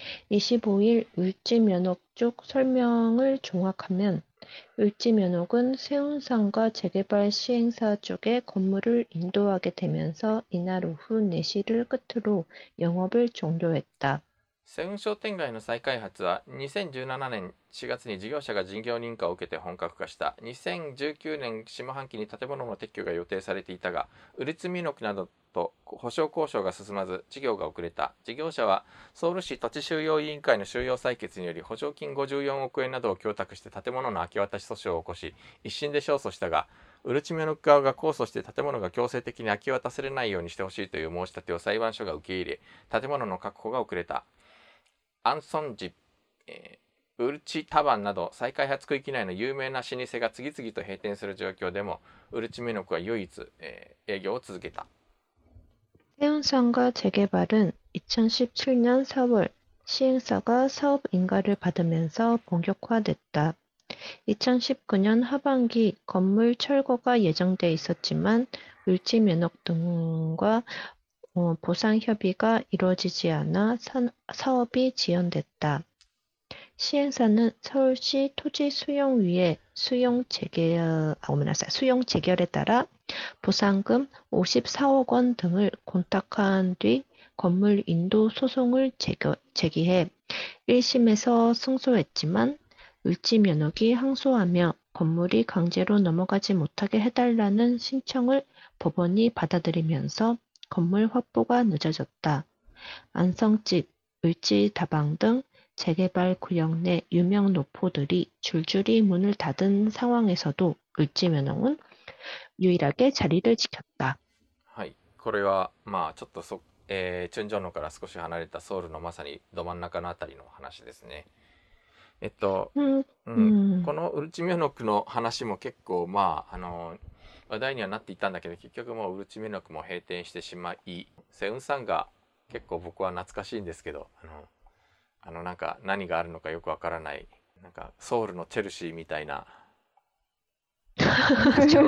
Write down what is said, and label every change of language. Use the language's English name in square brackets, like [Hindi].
[Korean] 25일을지면옥쪽설명을종합하면을지면옥은세운상과재개발시행사쪽에건물을인도하게되면서이날 오후 4시를 끝으로 영업을 종료했다。 [Japanese] セウン商店街の再開発は2017年4月に事業者が事業認可を受けて本格化した。 2019年下半期に建物の撤去が予定されていたが、ウルツミノクなどと保証交渉が進まず事業が遅れた。事業者はソウル市土地収用委員会の収用採決により補助金54億円などを供託して建物の明け渡し訴訟を起こし、一審で勝訴したが、ウルチミョノク側が控訴して建物が強制的に明け渡されないようにしてほしいという申し立てを裁判所が受け入れ、建物の確保が遅れた。アンソンジ、ウルチタバンなど再開発区域内の有名な老舗が次々と閉店する状況でも、ウルチミノクは唯一、営業を続けた。 [Korean] 세운상과 재개발은 2017년 4월 시행사가 사업 인가를 받으면서 본격화됐다. 2019년 하반기 건물 철거가 예정돼 있었지만 을지 면옥 등과 보상 협의가 이루어지지 않아 사업이 지연됐다. 시행사는 서울시 토지 수용 위에 수용 재결에 따라 보상금 54억 원 등을 곤탁한 뒤 건물 인도 소송을 제기해 1심에서 승소했지만 을지 면옥이 항소하며 건물이 강제로 넘어가지 못하게 해달라는 신청을 법원이 받아들이면서 건물 확보가 늦어졌다. 안성집, 을지다방 등 재개발 구역 내 유명 노포들이 줄줄이 문을 닫은 상황에서도 을지면옹은 유일하게 자리를 지켰다. [Japanese] これはまあちょっとそ、チュンジョンのから少し離れたソウルのまさにど真ん中のあたりの話ですね。このウルチミョノクの話も結構まあ話題にはなっていたんだけど、結局もうウルチミョノクも閉店してしまい、セウンさんが結構僕は懐かしいんですけど、なんか何があるのかよくわからない、なんかソウルのチェルシーみたいな感じ